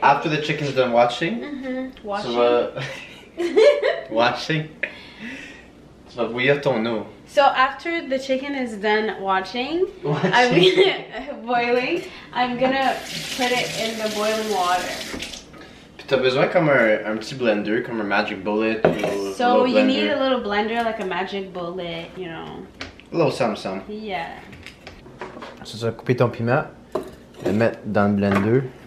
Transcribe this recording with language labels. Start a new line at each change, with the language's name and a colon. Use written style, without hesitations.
English: After the chicken's done watching. Mm-hmm. Washing. So, washing. So, we have to know. So, after the chicken is done watching. Watching. boiling. I'm gonna put it in the boiling water.
French: T'as besoin comme un petit blender, comme un magic bullet.
English: So you need a little blender, like a magic bullet, you know. A little something. Yeah.
French: Tu vas couper ton piment, le mettre dans le blender.